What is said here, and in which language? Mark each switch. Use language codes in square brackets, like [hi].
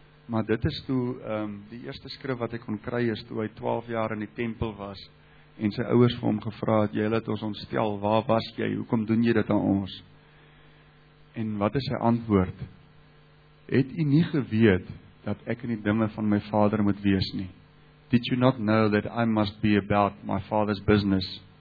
[af] Maar dit is toe, die eerste skrif wat ek kon kry is toe hy 12 jaar in die tempel was, en sy ouers vir hom gevra het, jy laat ons ontstel, waar was jy, hoekom doen jy dit aan ons? En wat is sy antwoord? Het u nie geweet dat ek in die dinge van my vader moet wees nie? [en] Did you not know that I must be about my father's business?